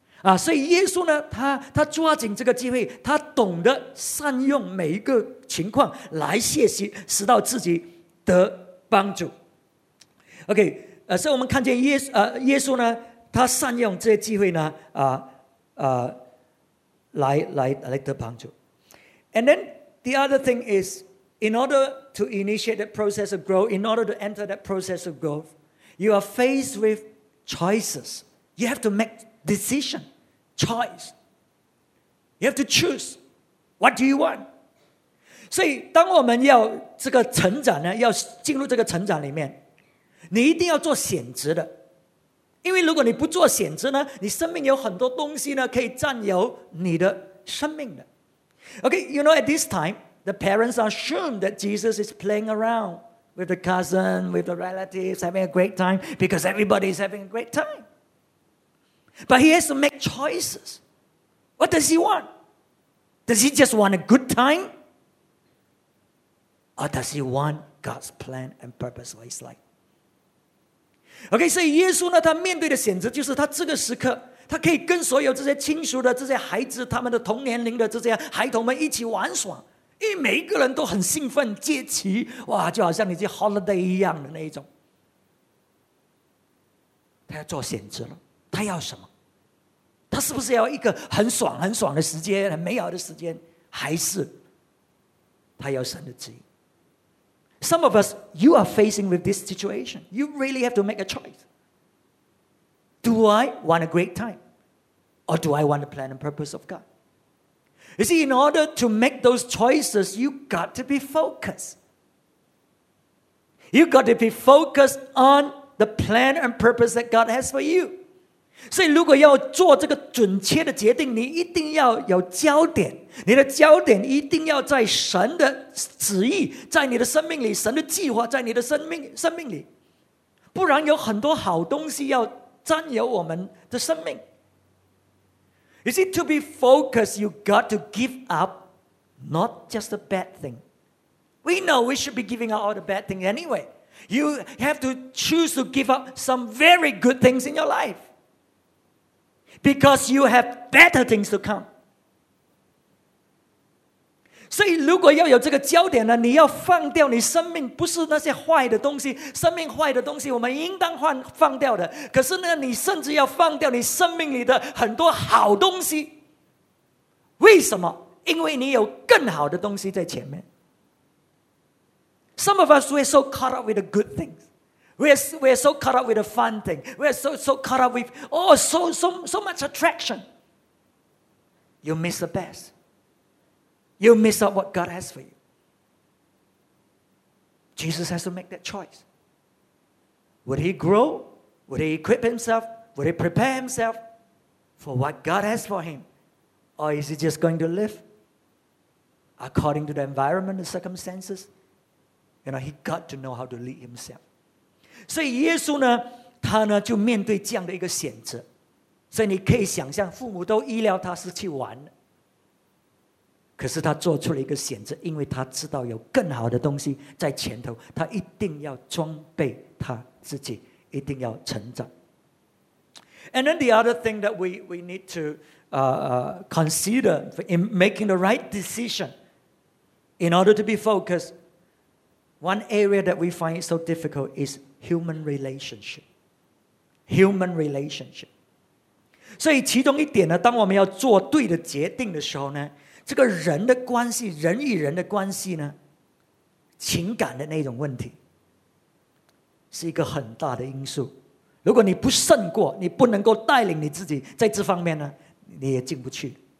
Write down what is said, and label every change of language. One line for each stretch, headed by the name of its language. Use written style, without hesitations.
Chinese: 啊，所以耶稣呢，他抓紧这个机会，他懂得善用每一个情况来学习，使到自己得帮助。 OK， 所以我们看见耶稣呢，他善用这些机会呢，来得帮助。
English: And then the other thing is, in order to initiate that process of growth, in order to enter that process of growth, you are faced with choices. You have to make decision. Choice. You have to choose. What do you want?
Chinese: 所以当我们要这个成长呢，要进入这个成长里面，你一定要做选择的。因为如果你不做选择呢，你生命有很多东西呢，可以占有你的生命的。
English: Okay, you know, at this time, the parents assume that Jesus is playing around with the cousin, with the relatives, having a great time, because everybody is having a great time. But he has to make choices. What does he want? Does he just want a good time? Or does he want God's plan and purpose for his life?
Chinese: Okay, so 耶稣呢，他面对的选择就是他这个时刻，他可以跟所有这些亲属的这些孩子，他们的同年龄的这些孩童们一起玩耍，因为每一个人都很兴奋，借题，哇，就好像你去 holiday 一样的那一种。他要做选择了。他要什么？他是不是要一个很爽很爽的时间，很美好的时间，还是他要神的旨意？
English: Some of us, you are facing with this situation. You really have to make a choice. Do I want a great time? Or do I want the plan and purpose of God? You see, in order to make those choices, you got to be focused. You got to be focused on the plan and purpose that God has for you.
Chinese: 所以如果要做这个准确的决定，你一定要有焦点，你的焦点一定要在神的旨意，在你的生命里，神的计划在你的生命里，不然有很多好东西要占有我们的生命。
English: You see, to be focused, you got to give up not just a bad thing. We know we should be giving up all the bad things anyway. You have to choose to give up some very good things in your lifeBecause you have better things to come.
Chinese: 所以如果要有这个焦点呢，你要放掉你生命不是那些坏的东西，生命坏的东西我们应当放掉的。可是呢，你甚至要放掉你生命里的很多好东西。为什么？因为你有更好的东西在前面。
English: Some of us, we're so caught up with the good things. We're so caught up with the fun thing. We're so caught up with, oh, so much attraction. You miss the best. You miss out what God has for you. Jesus has to make that choice. Would he grow? Would he equip himself? Would he prepare himself for what God has for him? Or is he just going to live according to the environment, the circumstances? You know, he got to know how to lead himself.
Chinese: 所以耶稣呢，他呢就面对这样的一个选择，所以你可以想象，父母都意料他是去玩，可是他做出了一个选择，因为他知道有更好的东西在前头，他一定要装备他自己，一定要成长。
English: And then the other thing that we need to consider in making the right decision in order to be focused, one area that we find so difficult is. Human relationship.
Chinese: 所以其中一点呢，当我们要做对的决定的时候呢，这个人的关系，人与人的关系呢，情感的那种问题是一个很大的因素。如果你不胜过，你不能够带领你自己在这方面呢，你也进不去。